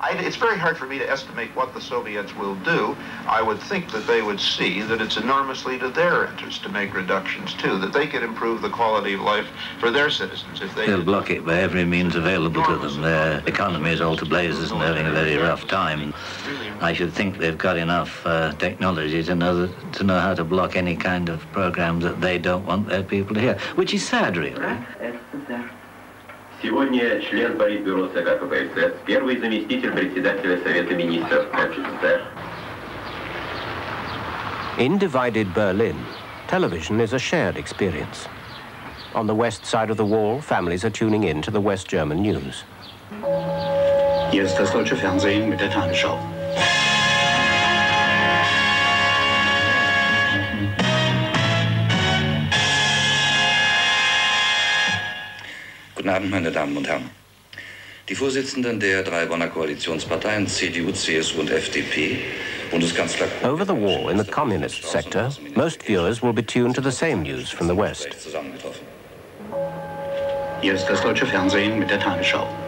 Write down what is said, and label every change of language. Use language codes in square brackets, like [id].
[en] It's very hard for me to estimate what the Soviets will do. I would think that they would see that it's enormously to their interest to make reductions, too, that they could improve the quality of life for their citizens. They'll block it by every means available to them. Their economy is all to blazes and having a very rough time. I should think they've got enough technology to know how to block any kind of programs that they don't want their people to hear, which is sad, really. [ru] Сегодня член Политбюро ЦК КПСС, первый заместитель председателя Совета министров СССР. [en] In divided Berlin, television is a shared experience. On the west side of the wall, families are tuning in to the West German news. [de] Hier ist das deutsche Fernsehen mit der Tagesschau. Guten Abend, meine Damen und Herren. Die Vorsitzenden der drei Bonner Koalitionsparteien CDU, CSU und FDP, Bundeskanzler. [en] Over the wall in the communist sector, most viewers will be tuned to the same news from the West. [de] Hier ist das deutsche Fernsehen mit der Tagesschau.